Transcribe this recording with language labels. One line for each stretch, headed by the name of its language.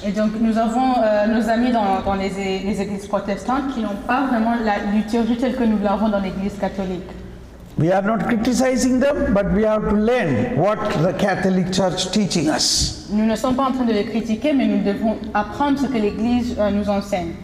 French: Et donc nous avons nos amis dans les églises protestantes qui n'ont pas vraiment la liturgie telle que nous l'avons dans l'église catholique.
English: We are not criticizing them, but we have to learn what the Catholic Church teaching us.
French: Nous ne sommes pas en train de les critiquer, mais nous devons apprendre ce que l'Église nous enseigne.